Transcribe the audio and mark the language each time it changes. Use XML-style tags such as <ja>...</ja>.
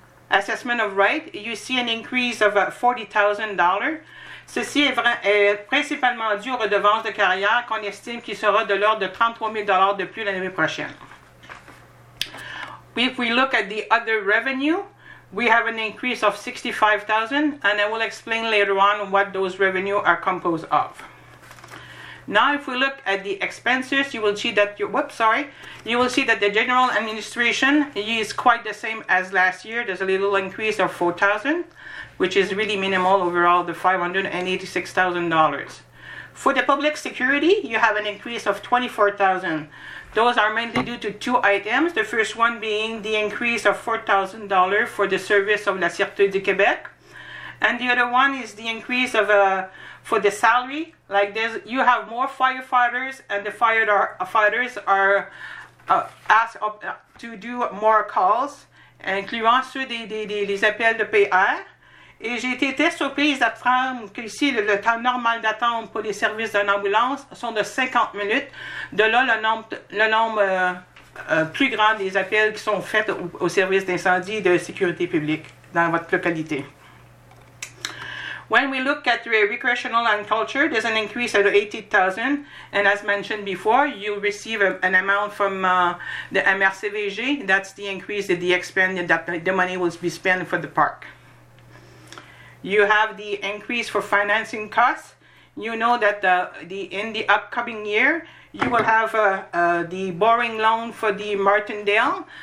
<en>assessment of right, you see an increase of $40,000.</en> <fr>Ceci est principalement dû aux redevances de carrière qu'on estime qui sera de l'ordre de $33,000 de plus l'année prochaine.</fr> <en>If we look at the other revenue, we have an increase of $65,000, and I will explain later on what those revenue are composed of. Now, if we look at the expenses, you will see that the general administration is quite the same as last year. There's a little increase of $4,000, which is really minimal overall, the $586,000. For the public security, you have an increase of $24,000. Those are mainly due to two items. The first one being the increase of $4,000 for the service of La Sûreté du Québec. And the other one is the increase of for the salary. Like this, you have more firefighters, and the firefighters are asked to do more calls,</en> <fr>incluant ceux des appels de PR. Et j'ai été très surprise d'apprendre qu'ici, le temps normal d'attente pour les services d'une ambulance sont de 50 minutes. De là, le nombre plus grand des appels qui sont faits au service d'incendie et de sécurité publique dans votre localité.</fr> <en>When we look at recreational and culture, there's an increase of $80,000. And as mentioned before, you receive an amount from the MRCVG. That's the increase that the money will be spent for the park. You have the increase for financing costs. You know that in the upcoming year, you will have the borrowing loan for the Martindale.</en>